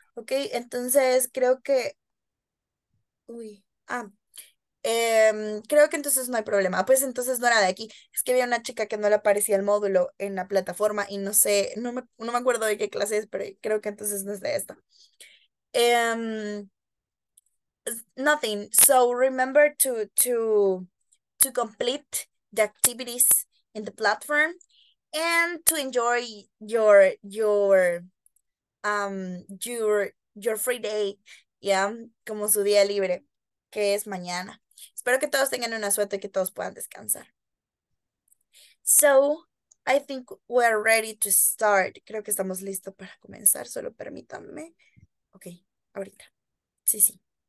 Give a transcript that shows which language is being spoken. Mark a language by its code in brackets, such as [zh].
[es] Ok, entonces creo que. Uy. Ah. Creo que entonces no hay problema. Pues entonces no era de aquí. Es que había una chica que no le aparecía el módulo en la plataforma y no sé, no me acuerdo de qué clase es, pero creo que entonces no es de esta. [en] Nothing. So remember to complete the activities in the platform and to enjoy your free day, ¿ya? [es] Como su día libre, que es mañana. Espero que todos tengan una suerte y que todos puedan descansar. [en] So, I think we're ready to start. [es] Creo que estamos listos para comenzar, solo permítanme. Ok, ahorita. Sí.